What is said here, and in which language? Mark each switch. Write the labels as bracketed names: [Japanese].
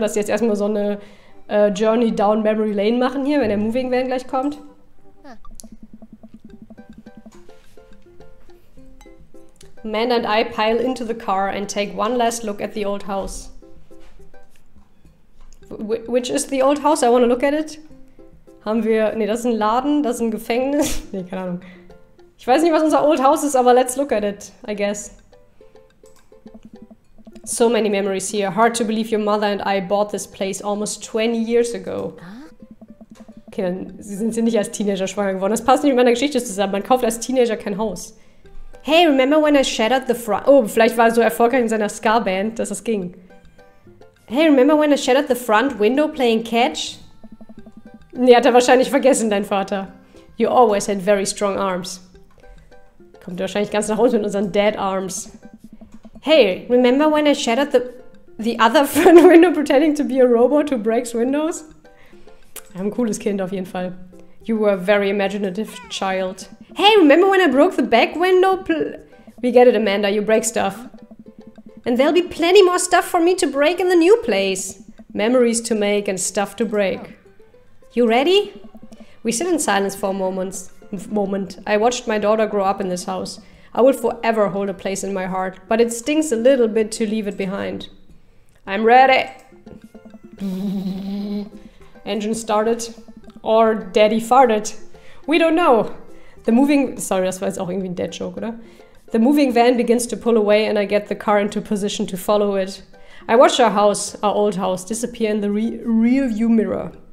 [German] Dass sie jetzt erstmal so eine [English] Journey down memory lane [German] machen hier, wenn der moving van gleich kommt. [English] Amanda and I pile into the car and take one last look at the old house. Which is the old house? I want to look at it. [German] Haben wir... Nee, das ist ein Laden, das ist ein Gefängnis. Nee, keine Ahnung. Ich weiß nicht, was unser old house ist, aber [English] let's look at it, I guess. So many memories here. Hard to believe your mother and I bought this place almost 20 years ago. [German] Okay, dann sind sie nicht als Teenager schwanger geworden. Das passt nicht mit meiner Geschichte zusammen. Man kauft als Teenager kein Haus. [English] Hey, remember when I shattered the front... [German] Oh, vielleicht war er so erfolgreich in seiner Ska-Band, dass das ging. [English] Hey, remember when I shattered the front window playing catch? [German] Nee, hat er wahrscheinlich vergessen, dein Vater. [English] You always had very strong arms. [German] Kommt wahrscheinlich ganz nach unten mit unseren dead arms. [English] Hey, remember when I shattered the other front window pretending to be a robot who breaks windows? [German] Ein cooles Kind auf jeden Fall. [English] You were a very imaginative child. Hey, remember when I broke the back window? We get it, Amanda. You break stuff. And there'll be plenty more stuff for me to break in the new place. Memories to make and stuff to break. You ready? We sit in silence for a moment. I watched my daughter grow up in this house. I will forever hold a place in my heart. But it stings a little bit to leave it behind. I'm ready. Engine started. Or daddy farted. We don't know. [German] Das war jetzt auch irgendwie ein Dead Joke, oder? [English] The moving van begins to pull away and I get the car into position to follow it. I watch our house, our old house, disappear in the rearview mirror.